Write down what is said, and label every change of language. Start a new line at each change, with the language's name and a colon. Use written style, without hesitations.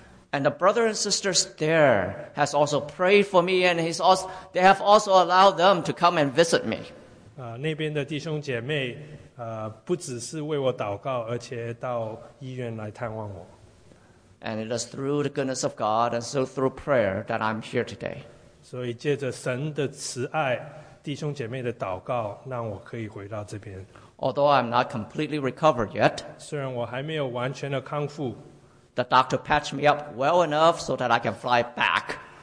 English: And the brother and sisters there has also prayed for me and he's also, they have also allowed them to come and visit me.
Chinese: 那边的弟兄姐妹 不只是为我祷告，而且到医院来探望我。
English: And it is through the goodness of God and so through prayer that I'm here today.
Chinese: 所以借着神的慈爱，弟兄姐妹的祷告，让我可以回到这边。
English: Although I'm not completely recovered yet,
Chinese: 虽然我还没有完全的康复,
English: the doctor patched me up well enough so that I can fly back.